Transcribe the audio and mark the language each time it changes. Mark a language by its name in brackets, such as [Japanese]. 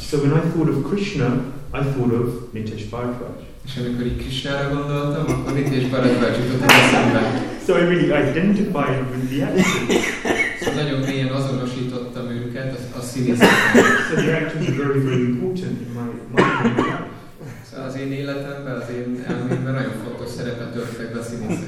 [English] So when I thought of Krishna, I thought of Nitesh Bharadwaj. [Hungarian] És amikor így Krishnára gondoltam, akkor Nitesh Bharadwaj jutott az eszembe. [English] So I really identified with the actors. [Hungarian] So nagyon mélyen azonosítottam őket a színészekkel. [English] So the actors are very, very important in my mind. [Hungarian] So az én életemben, az én elmémben nagyon fontos szerepet töltöttek be a színészek.